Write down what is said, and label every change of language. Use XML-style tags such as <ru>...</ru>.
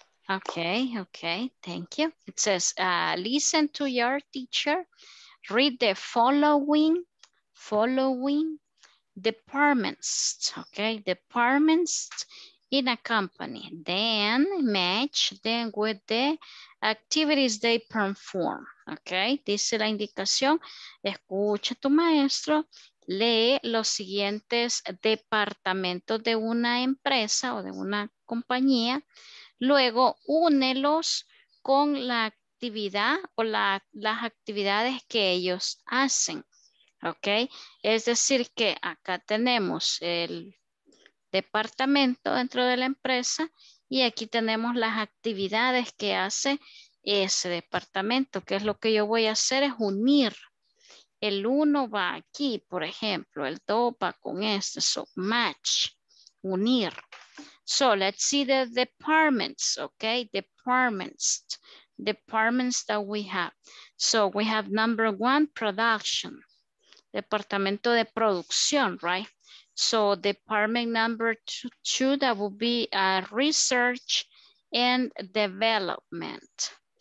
<en>Okay, thank you. It says, listen to your teacher. Read the following departments. Okay, departments. In a company, then match them with the activities they perform.</en> <es>Okay, dice la indicación, escucha a tu maestro, lee los siguientes departamentos de una empresa o de una compañía, luego únelos con la actividad o las actividades que ellos hacen. Okay, es decir que acá tenemos el departamento dentro de la empresa y aquí tenemos las actividades que hace ese departamento, que es lo que yo voy a hacer es unir. El uno va aquí, por ejemplo, el dos va con este,</es> <en>so match,</en> <es>unir.</es> <en>So let's see the departments, okay, departments that we have. So we have number one, production,</en> <es>departamento de producción,</es> <en>right? So department number two, that would be research and development.</en>